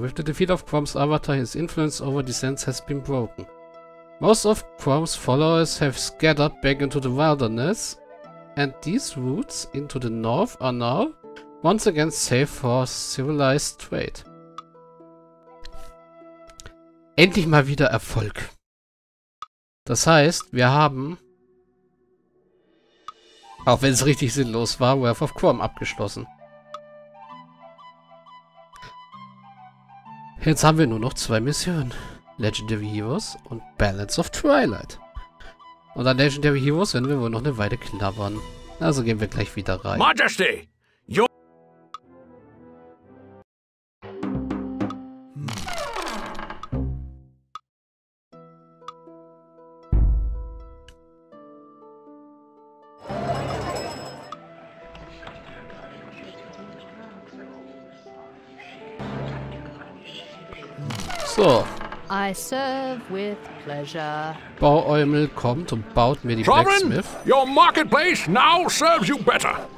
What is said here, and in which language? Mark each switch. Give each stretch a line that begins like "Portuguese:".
English: With the defeat of Quom's avatar, his influence over the sands has been broken. Most of Quom's followers have scattered back into the wilderness, and these routes into the north are now once again safe for civilized trade.
German: Endlich mal wieder Erfolg. Das heißt, wir haben, auch wenn es richtig sinnlos war, Wrath of Quom abgeschlossen. Jetzt haben wir nur noch zwei Missionen. Legendary Heroes und Balance of Twilight. Und an Legendary Heroes werden wir wohl noch eine Weile knabbern. Also gehen wir gleich wieder rein.
English: Majesty! Your
German: So.
English: I serve with pleasure.
German: Baueumel kommt und baut mir die Traurin,
English: Blacksmith. Your marketplace now serves you better.